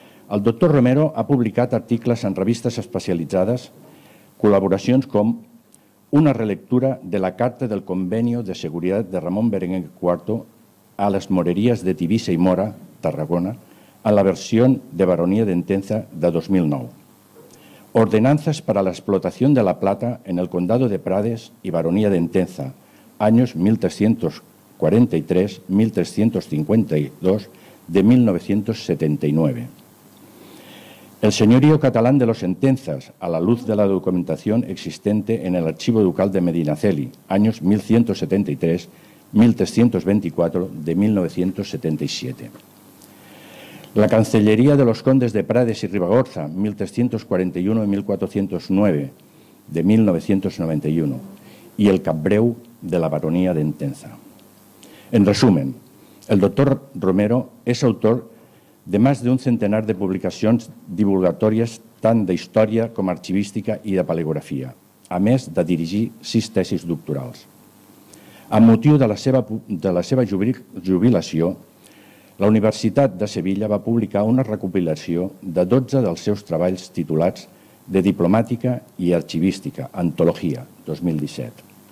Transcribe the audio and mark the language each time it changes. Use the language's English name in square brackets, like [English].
[Catalan] El doctor Romero ha publicat articles en revistes especialitzades, col·laboracions com Una relectura de la Carta del Convenio de Seguridad de Ramón Berenguer IV a les moreries de Tivissa i Mora, Tarragona, a la versió de Baronia d'Entença de 2009. [Spanish] Ordenanzas para la explotación de la plata en el condado de Prades y Baronía de Entenza, años 1343-1352 de 1979. El señorío catalán de los Entenzas, a la luz de la documentación existente en el Archivo Ducal de Medinaceli, años 1173-1324 de 1977. La Cancillería de los Condes de Prades y Ribagorza, 1341-1409, de 1991, y el Capbreu de la Baronía de Entenza. En resumen, el doctor Romero es autor de más de un centenar de publicaciones divulgatorias, tanto de historia como archivística y de paleografía, [Catalan] a més de dirigir [Spanish] 6 tesis doctorales. [Catalan] A motiu de la seva jubilació, la Universitat de Sevilla va publicar una recopilació de 12 dels seus treballs titulats de Diplomàtica i Arxivística, Antologia, 2017.